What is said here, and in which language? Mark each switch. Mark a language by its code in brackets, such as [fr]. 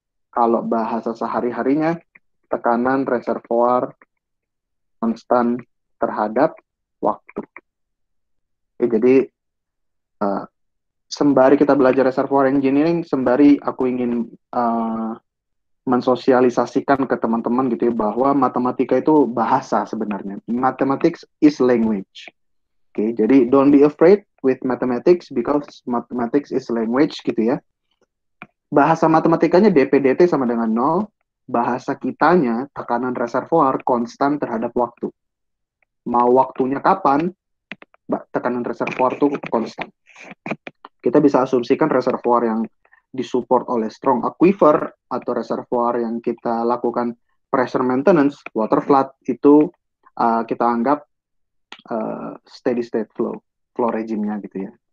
[id] Kalau bahasa sehari-harinya, tekanan reservoir konstan terhadap waktu. Oke, jadi, sembari kita belajar reservoir engineering, sembari aku ingin mensosialisasikan ke teman-teman gitu ya, bahwa matematika itu bahasa sebenarnya. [en] Mathematics is language. Oke, jadi don't be afraid with mathematics because mathematics is language gitu ya. [id] Bahasa matematikanya DPDT sama dengan 0. Bahasa kitanya tekanan reservoir konstan terhadap waktu. Mau waktunya kapan, tekanan reservoir itu konstan. Kita bisa asumsikan reservoir yang disupport oleh strong aquifer atau reservoir yang kita lakukan pressure maintenance, water flood, itu kita anggap steady state flow, flow regime-nya gitu ya.